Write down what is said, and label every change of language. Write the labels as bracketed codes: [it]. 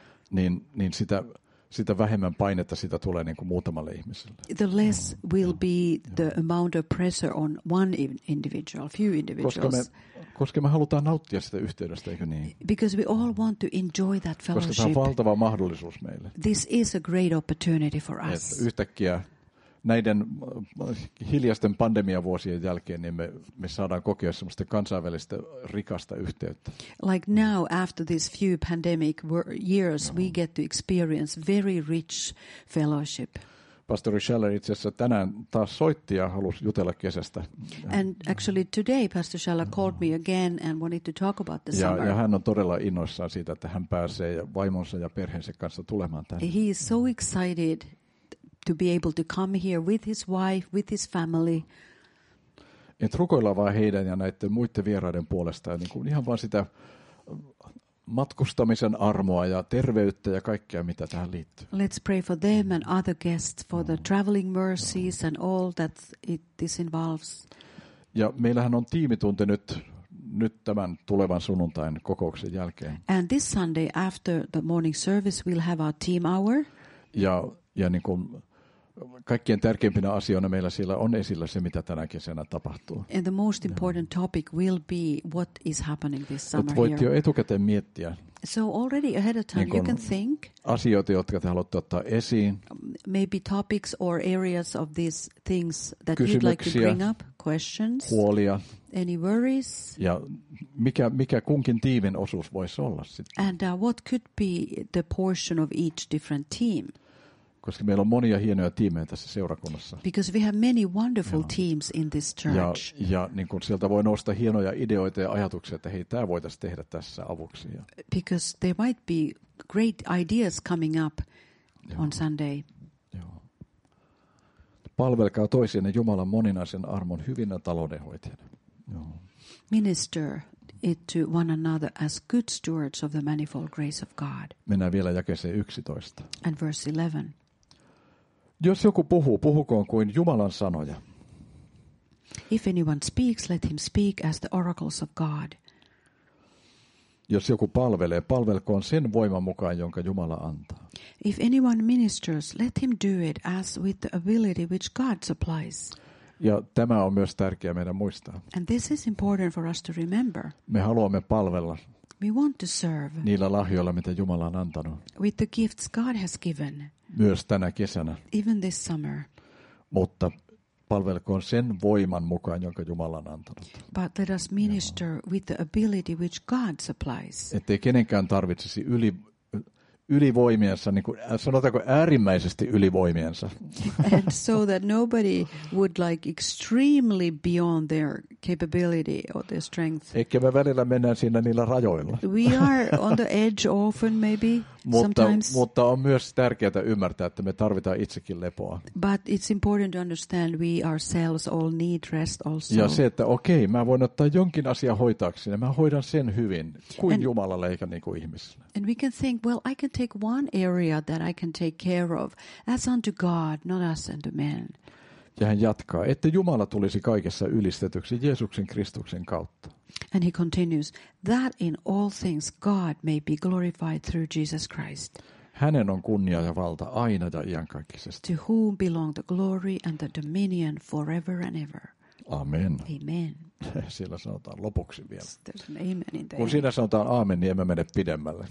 [fi] niin sitä vähemmän painetta sitä tulee niin kuin muutamalle ihmiselle. [en] The less will be the amount of pressure on one individual, few individuals. [fi] Koska me halutaan nauttia sitä yhteydestä, eikö niin? [en] Because we all want to enjoy that fellowship. [fi] Koska tämä on valtava mahdollisuus meille. [en] This is a great opportunity for us. [fi] Että yhtäkkiä näiden hiljaisten pandemiavuosien jälkeen niin me saadaan kokea semmoista kansainvälistä rikasta yhteyttä. [en] Like now after these few pandemic years we get to experience very rich fellowship. [fi] Pastori Scheller itse asiassa tänään taas soitti ja halusi jutella kesästä. [en] And actually today Pastor Scheller called me again and wanted to talk about the summer. [fi] Ja hän on todella innoissaan siitä, että hän pääsee vaimonsa ja perheensä kanssa tulemaan tänne. [en] He is so excited to be able to come here with his wife, with his family. [fi] Et rukoillaan vaan heidän ja näiden muiden vieraiden puolesta ja niin kuin ihan vaan sitä matkustamisen armoa ja terveyttä ja kaikkea mitä tähän liittyy. [en] Let's pray for them and other guests for the traveling mercies and all that it this involves. [fi] Ja meillähän on tiimitunti nyt tämän tulevan sunnuntain kokouksen jälkeen. [en] And this Sunday after the morning service we'll have our team hour. [fi] Ja niin kuin kaikkien tärkeimpinä asioina meillä siellä on esillä se, mitä tänä kesänä tapahtuu. [en] And the most important topic will be what is happening this summer. [fi] Voit jo etukäteen miettiä. [en] So already ahead of time [fi] niin [en] you can think. [fi] Asioita, jotka te haluatte ottaa esiin. [en] Maybe topics or areas of these things that you'd like to bring up. Questions. [fi] Huolia. [en] Any worries. [fi] Ja mikä kunkin tiimin osuus voisi olla sitten. [en] And what could be the portion of each different team. [fi] Koska meillä on monia hienoja tiimejä tässä seurakunnassa. [en] Because we have many wonderful teams in this church. [fi] Ja niin kuin sieltä voi nousta hienoja ideoita ja ajatuksia, että hei, tämä voitaisiin tehdä tässä avuksi. [en] Because there might be great ideas coming up on Sunday. [fi] Palvelkaa toisianne Jumalan moninaisen armon hyvinä taloudenhoitajana. [en] Minister it to one another as good stewards of the manifold grace of God. [fi] Mennään vielä jakeeseen 11. [en] And verse 11. [fi] Jos joku puhuu, puhukoon kuin Jumalan sanoja. [en] If anyone speaks, let him speak as the oracles of God. [fi] Jos joku palvelee, palvelkoon sen voiman mukaan, jonka Jumala antaa. [en] If anyone ministers, let him do it as with the ability which God supplies. [fi] Ja tämä on myös tärkeää meidän muistaa. [en] And this is important for us to remember. [fi] Me haluamme palvella. [en] We want to serve. [fi] Niillä lahjoilla, mitä Jumala on antanut. [en] With the gifts God has given. [fi] Myös tänä kesänä. [en] Even this summer. [fi] Mutta palvelkoon sen voiman mukaan, jonka Jumala on antanut. [en] But let us minister [fi] Joo. [en] with the ability which God supplies. [fi] Ettei kenenkään tarvitsisi ylivoimiensa, niin kuin, sanotaanko äärimmäisesti ylivoimiensa. [en] And so that nobody would like extremely beyond their capability or their strength. [fi] Eikä me välillä mennään siinä niillä rajoilla. [en] We are on the edge often maybe sometimes. [fi] Mutta on myös tärkeää ymmärtää, että me tarvitaan itsekin lepoa. [en] But it's important to understand we ourselves all need rest also. [fi] Ja se, että okei, mä voin ottaa jonkin asian hoitaakseni, ja mä hoidan sen hyvin, kuin Jumalalle eikä niin kuin ihmisille. [en] And we can think, well, I can take one area that I can take care of as unto God, not as unto men. [fi] Ja hän jatkaa, että Jumala tulisi kaikessa ylistetyksi Jeesuksen Kristuksen kautta. [en] And he continues, that in all things God may be glorified through Jesus Christ. [fi] Hänen on kunnia ja valta aina ja iankaikkisesti. [en] To whom belong the glory and the dominion forever and ever. [fi] Amen. [en] Amen. [fi] Siellä sanotaan lopuksi vielä. [en] Amen in [fi] Kun siinä sanotaan aamen, niin emme mene pidemmälle.